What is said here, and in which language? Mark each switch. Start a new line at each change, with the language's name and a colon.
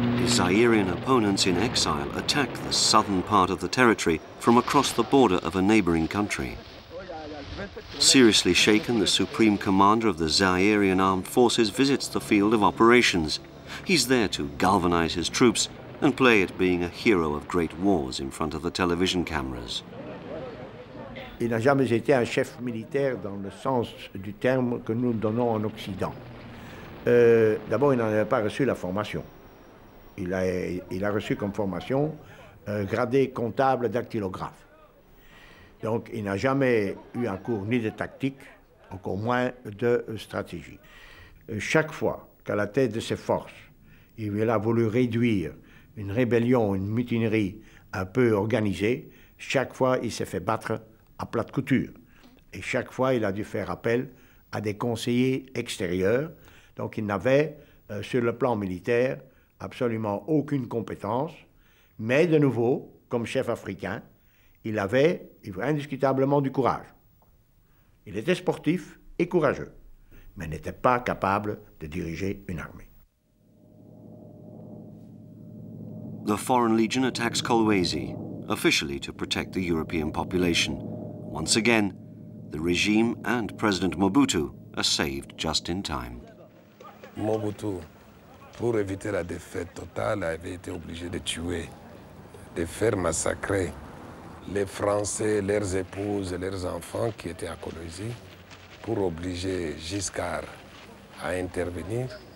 English: Zairean opponents in exile attack the southern part of the territory from across the border of a neighboring country. Seriously shaken, the supreme commander of the Zairean armed forces visits the field of operations. He's there to galvanize his troops and play at being a hero of great wars in front of the television cameras.
French: Il n'a jamais été un chef militaire dans le sens du terme que nous donnons en Occident. D'abord, il n'en avait pas reçu la formation. Il a reçu comme formation gradé comptable dactylographe. Donc il n'a jamais eu un cours ni de tactique, encore moins de stratégie. Chaque fois qu'à la tête de ses forces, il a voulu réduire une rébellion, une mutinerie un peu organisée, chaque fois il s'est fait battre à plate couture. Et chaque fois il a dû faire appel à des conseillers extérieurs. Donc il n'avait, sur le plan militaire, absolument aucune compétence, mais de nouveau, comme chef africain, il avait indiscutablement du courage. Il était sportif et courageux, mais n'était pas capable de diriger une armée.
English: The Foreign Legion attacks Kolwezi, officially to protect the European population. Once again, the regime and President Mobutu are saved just in time.
French: Mobutu, pour éviter la défaite totale, avait été obligé de tuer, de faire massacrer les Français, leurs épouses et leurs enfants qui étaient à Kolwezi, pour obliger Giscard à intervenir.